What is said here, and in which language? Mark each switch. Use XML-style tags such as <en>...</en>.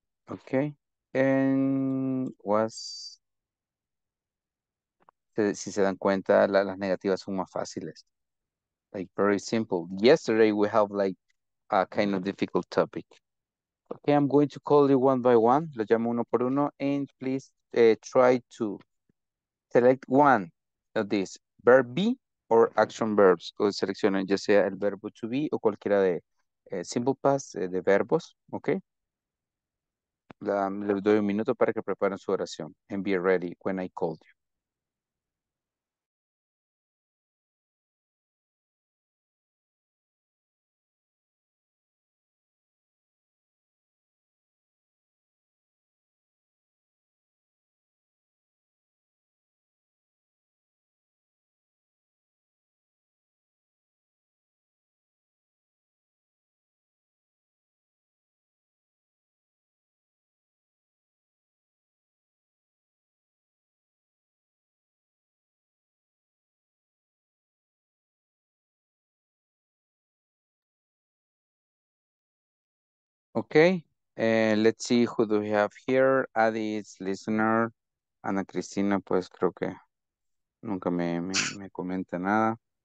<en>okay, and was,</en> <es>si se dan cuenta, las negativas son más fáciles,</es> <en>like very simple. Yesterday we have like a kind of difficult topic. Okay, I'm going to call you one by one.</en> <es>Lo llamo uno por uno.</es> <en>And please try to select one of these. Verb be or action verbs.</en> <es>O seleccionen ya sea el verbo to be o cualquiera de simple past de verbos. Okay. Les doy un minuto para que preparen su oración.</es> <en>And be ready when I call you. Okay, let's see who do we have here. Adi is listener.</en> <es>Ana Cristina, pues creo que nunca me comenta nada.</es>